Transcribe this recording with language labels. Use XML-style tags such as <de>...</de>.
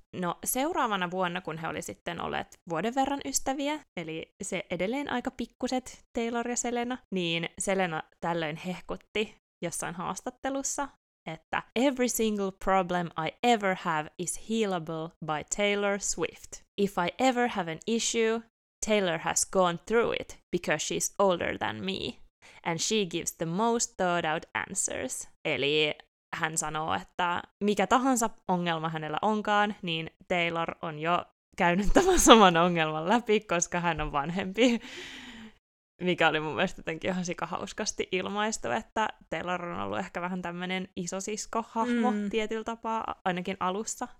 <fi>No, seuraavana vuonna, kun he oli sitten olleet vuoden verran ystäviä, eli se edelleen aika pikkuset Taylor ja Selena, niin Selena tällöin hehkutti jossain haastattelussa, että</fi> <en>every single problem I ever have is healable by Taylor Swift. If I ever have an issue, Taylor has gone through it because she's older than me. And she gives the most thought out answers.</en> <fi>Eli hän sanoo, että mikä tahansa ongelma hänellä onkaan, niin Taylor on jo käynyt tämän saman ongelman läpi, koska hän on vanhempi. Mikä oli mun mielestä jotenkin ihan sikahauskasti ilmaistu, että Taylor on ollut ehkä vähän tämmönen isosisko-hahmo tietyllä tapaa, ainakin alussa.</fi>